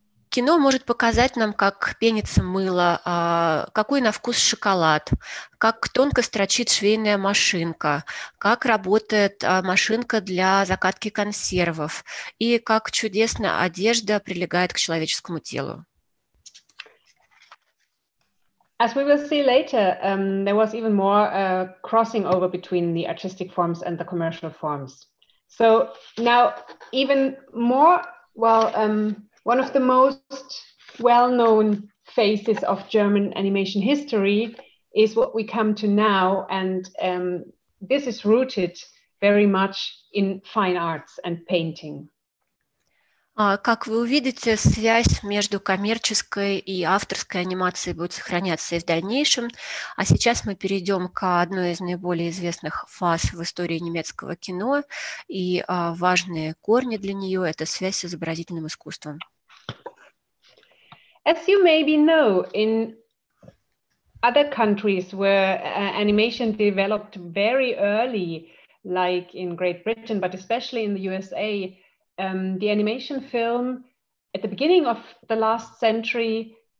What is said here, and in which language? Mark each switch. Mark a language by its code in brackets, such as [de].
[ru] Кино может показать нам, как пенится мыло, какой на вкус шоколад, как тонко строчит швейная машинка, как работает машинка для закатки консервов и как чудесно одежда прилегает к человеческому телу. [en] As we will see later, there was even more crossing over between the artistic forms and the commercial forms. So now even more. Well, one of the most well-known faces of German animation history is what we come to now, and this is rooted very much in fine arts and painting. [ru] Как вы увидите, связь между коммерческой и авторской анимацией будет сохраняться и в дальнейшем. А сейчас мы перейдем к одной из наиболее известных фаз в истории немецкого кино. И важные корни для нее – это связь с изобразительным искусством. [en] As you maybe know, in other countries where animation developed very early, like in Great Britain, but especially in the USA, the animation film at the beginning of the last century